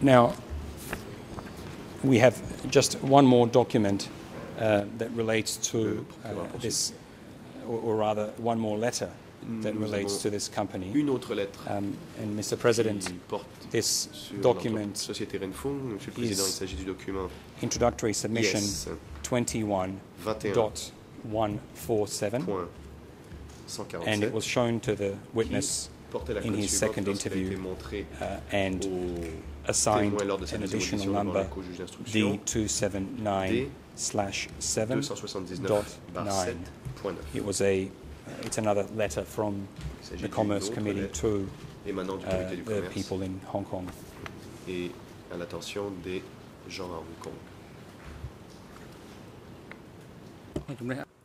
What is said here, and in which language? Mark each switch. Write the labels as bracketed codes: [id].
[en] Now, we have just one more document that relates to this, or rather, one more letter that relates to this company. [fr] Une autre lettre. [en] And Mr. President, this document [fr] Société Renfeng, Monsieur le Président, il s'agit du document [en] introductory submission 21.147. And it was shown to the witness in his second interview and assigned an additional number, D279/7.9. It was it's another letter from the Commerce Committee to the people in Hong Kong. [fr] Et à l'attention des gens à Hong Kong.